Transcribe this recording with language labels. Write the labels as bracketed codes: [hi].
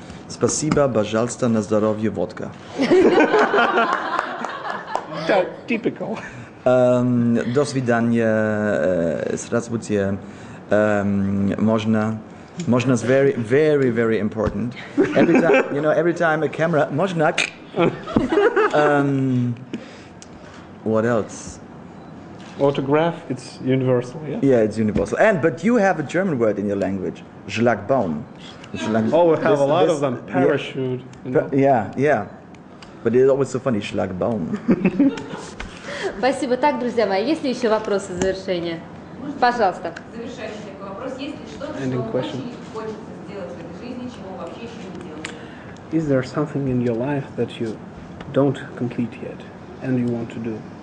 [ru] Спасибо, пожалуйста, на здоровье, водка. [en] Typical. [ru] До свидания, здравствуйте. Можно. Можно [en] is very, very, very important. Every time, you know, every time a camera. [ru] Можно. [en] What else? Autograph. It's universal. Yeah. Yeah, it's universal. But you have a German word in your language. [de] Schlagbaum. [en] Oh, we have a lot of them. Parachute. Yeah. But it's always so funny. Schlagbaum. [ru] Спасибо. Так, друзья мои, есть ли еще вопросы в завершение? Пожалуйста. Завершающий такой вопрос. Есть ли что-то, что вам очень хочется сделать в этой жизни, чего вообще еще не делали? [en] Is there something in your life that you don't complete yet and you want to do?